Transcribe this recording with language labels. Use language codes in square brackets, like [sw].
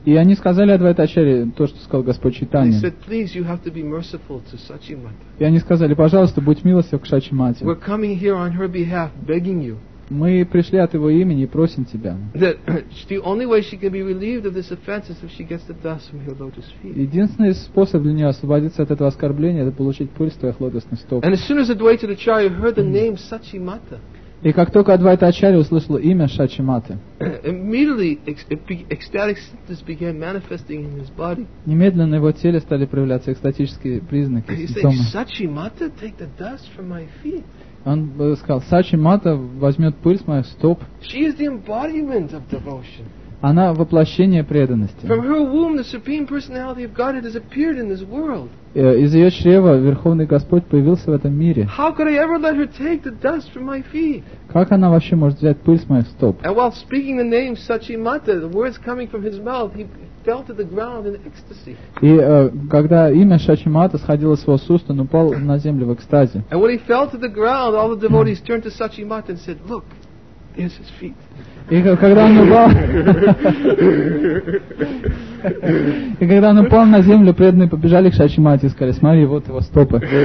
[ru] И они сказали Адвайта Ачарье то, что сказал Господь Чайтанья. [en] They said, please, you have to be merciful to Шачи Мата. [ru] И они сказали, пожалуйста, будь милостив к Шачи Мате. [en] We're coming here on her behalf, begging you. [ru] Мы пришли от его имени и просим тебя. [en] The only way she can be relieved of this offense is if she gets the dust from her lotus feet. [ru] Единственный способ для нее освободиться от этого оскорбления — это получить пыль с твоих лотосных стоп. [en] And as soon as Advaita Acharya heard the name Шачи Мата, [ru] и как только Адвайта Ачарья услышала имя Шачи Маты, [en] immediately ecstatic symptoms began manifesting in his body. [ru] Немедленно на его теле стали проявляться экстатические признаки, симптомы. [en] Шачи Мата, take the dust from my feet. [ru] Он сказал, Шачи Мата возьмет пыль с моих стоп. [en] She is the embodiment of devotion. [ru] Она воплощение преданности. [en] From her womb, the supreme personality of God has appeared in this world. [ru] Из ее чрева Верховный Господь появился в этом мире. [en] How could I ever let her take the dust from my feet? [ru] Как она вообще может взять пыль с моих стоп? [en] And while speaking the name Шачи Мата, the words coming from his mouth, he fell to the ground in ecstasy. [ru] И когда имя Шачи Мата сходило с его уст, он упал на землю в экстазе. [en] And when he fell to the ground, all the devotees turned to Шачи Мата and said, "Look, there's his feet." [ru] И когда он упал на землю, преданные побежали к Шачи Мате и сказали, смотри, вот его стопы.